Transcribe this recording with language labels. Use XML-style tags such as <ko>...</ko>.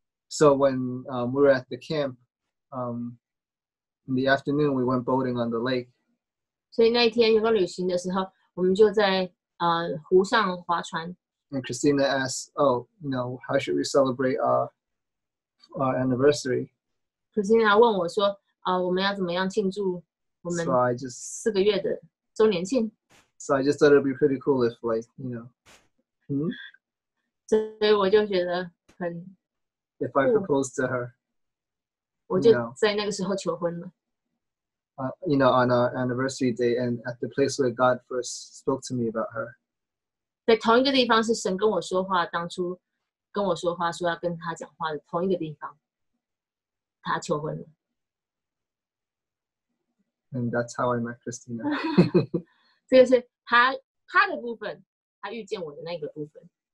<en>So when we were at the camp, in the afternoon we went boating on the lake.</en> <zh>所以那一天员工旅行的时候，我们就在。湖上划船。</zh> <en>And Christina asks, "Oh, you know, how should we celebrate our anniversary?"</en> <zh>Christina 问我说，我们要怎么样庆祝我们四个月的周年庆</zh> <en>？So I just thought it'd be pretty cool if, like, you know,</en> <zh>所以我就觉得很。</zh> <en>If I proposed to her,</en> <zh>我就在那个时候求婚了。</zh> <en>You know, on our anniversary day, and at the place where God first spoke to me about her.</en> <zh>在同一个地方是神跟我说话，当初跟我说话，说要跟他讲话的同一个地方，他求婚了。</zh> <en>And that's how I met Christina.</en> <zh>这个是他的部分，他遇见我的那个部分。</zh>